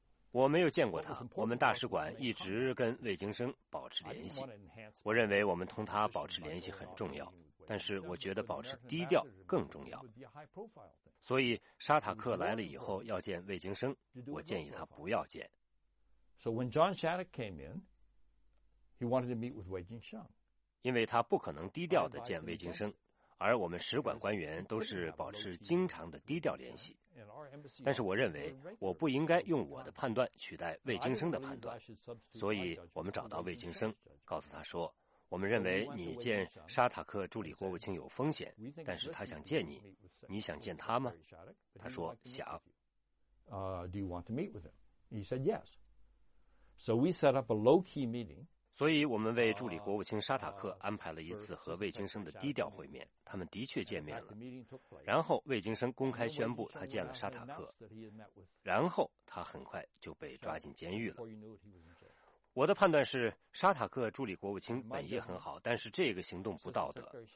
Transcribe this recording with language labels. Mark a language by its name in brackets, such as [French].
[Chinese] 我没有见过他，我们大使馆一直跟魏京生保持联系。我认为我们同他保持联系很重要，但是我觉得保持低调更重要。所以沙塔克来了以后要见魏京生，我建议他不要见。 [English] So when John Shattuck came in, he wanted to meet with Wei Jingsheng. [Chinese] 因为他不可能低调地见魏京生，而我们使馆官员都是保持经常的低调联系。但是我认为我不应该用我的判断取代魏京生的判断，所以我们找到魏京生，告诉他说，我们认为你见沙塔克助理国务卿有风险，但是他想见你，你想见他吗？他说想。 [English] Do you want to meet with him? He said yes. So we set up a low-key meeting. [Chinese] 所以我们为助理国务卿沙塔克安排了一次和魏京生的低调会面，他们的确见面了。然后魏京生公开宣布他见了沙塔克，然后他很快就被抓进监狱了。我的判断是，沙塔克助理国务卿本意很好，但是这个行动不道德。